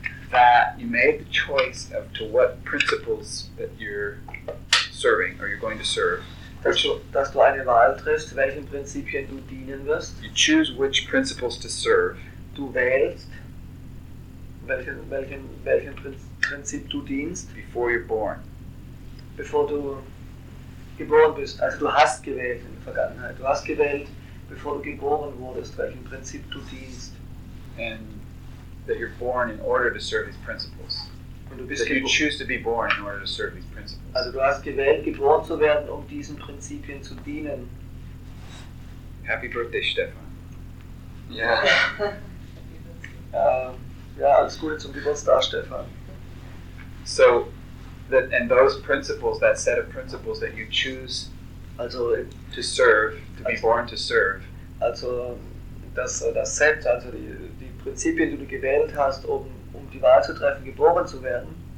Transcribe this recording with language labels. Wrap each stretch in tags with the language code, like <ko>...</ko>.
<en>that you made the choice of to what principles that you're serving or you're going to serve.</en> <de>Dass du eine Wahl triffst, welchen Prinzipien du dienen wirst.</de> <en>You choose which principles to serve.</en> <de>Du wählst, welchen Prinzip du dienst.</de> <en>Before you're born.</en> <de>Bevor du geboren bist. Also du hast gewählt in der Vergangenheit. Du hast gewählt, bevor du geboren wurdest, welchen Prinzip du dienst.</de> <en>And that you're born in order to serve these principles.</en> <de>Und du bist</de> <en>that you choose to be born in order to serve these principles.</en> <de>Also du hast gewählt, geboren zu werden, um diesen Prinzipien zu dienen.</de> <en>Happy birthday, Stefan.</en> <de>Yeah. Ja, alles Gute zum Geburtstag, Stefan.</de> <en>So, that and those principles, that set of principles that you choose also, to serve, to also, be born to serve.</en> <de>Also, das Set, also die Prinzipien, die du gewählt hast, um die Wahl zu treffen, geboren zu werden,</de>